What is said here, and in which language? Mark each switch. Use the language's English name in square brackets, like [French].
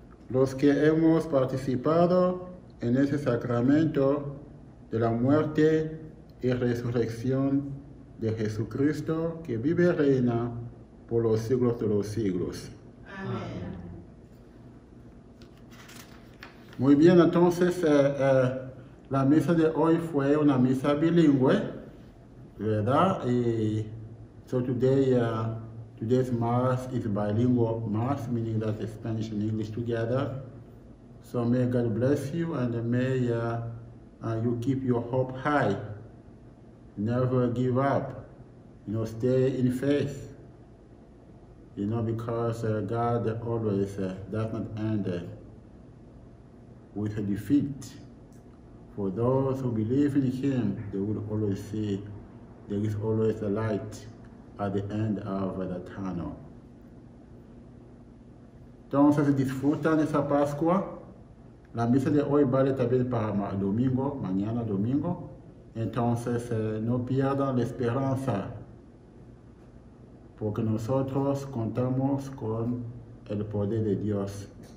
[Spanish] Los que hemos participado en ese sacramento de la muerte y resurrección de Jesucristo, que vive y reina por los siglos de los siglos. Amén. Muy bien, entonces, la misa de hoy fue una misa bilingüe, ¿verdad? [English] Y so today, today's mass is bilingual mass, meaning that it's Spanish and English together. So may God bless you and may you keep your hope high. Never give up. You know, stay in faith. You know, because God always does not end with a defeat. For those who believe in Him, they will always see there is always a light at the end of the tunnel. [Spanish] Entonces, disfrutan esa Pascua. La misa de hoy vale también para domingo, mañana domingo. Entonces, no pierdan la esperanza, porque nosotros contamos con el poder de Dios.